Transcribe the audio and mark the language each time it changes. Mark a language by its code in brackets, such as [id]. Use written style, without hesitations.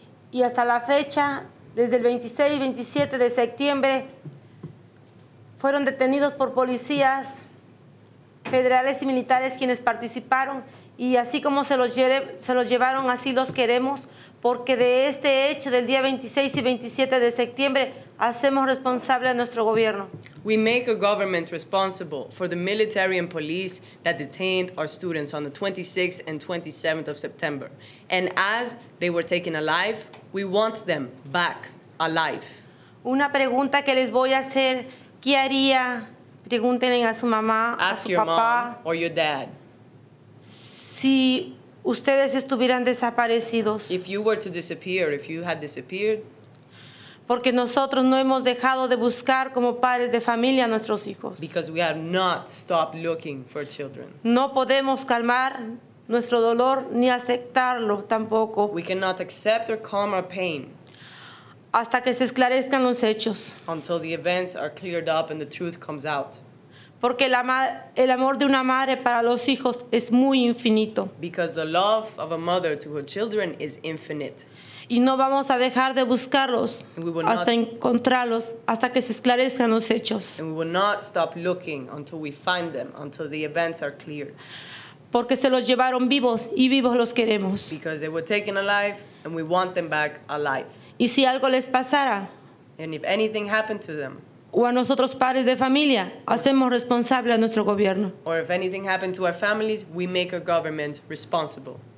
[es] Y hasta la fecha, desde el 26 y 27 de septiembre, fueron detenidos por policías federales y militares quienes participaron. Y así como se los llevaron, así los queremos. Porque de este hecho del día 26 y 27 de septiembre hacemos responsable a nuestro gobierno. [en] We make a government responsible for the military and police that detained our students on the 26th and 27th of September. And as they were taken alive, we want them back alive. [es] Una pregunta que les voy a hacer, ¿qué haría? Pregúntenle a su mamá, [en] ask [es] a su papá. [en] Ask your mom or your dad. [es] Si ustedes estuvieran desaparecidos. [en] If you were to disappear, if you had disappeared. [es] Porque nosotros no hemos dejado de buscar como padres de familia a nuestros hijos. [en] Because we have not stopped looking for children. [es] No podemos calmar nuestro dolor ni aceptarlo tampoco. [en] We cannot accept or calm our pain. [es] Hasta que se esclarezcan los hechos. [en] Until the events are cleared up and the truth comes out. [es] Porque el amor de una madre para los hijos es muy infinito. [en] Because the love of a mother to her children is infinite. [es] Y no vamos a dejar de buscarlos hasta encontrarlos, hasta que se esclarezcan los hechos. [en] And we will not stop looking until we find them, until the events are cleared. [es] Porque se los llevaron vivos y vivos los queremos. [en] Because they were taken alive and we want them back alive. [es] Y si algo les pasara. [en] And if anything happened to them. [es] O a nosotros padres de familia, hacemos responsable a nuestro gobierno. [en] Or if anything happened to our families, we make our government responsible.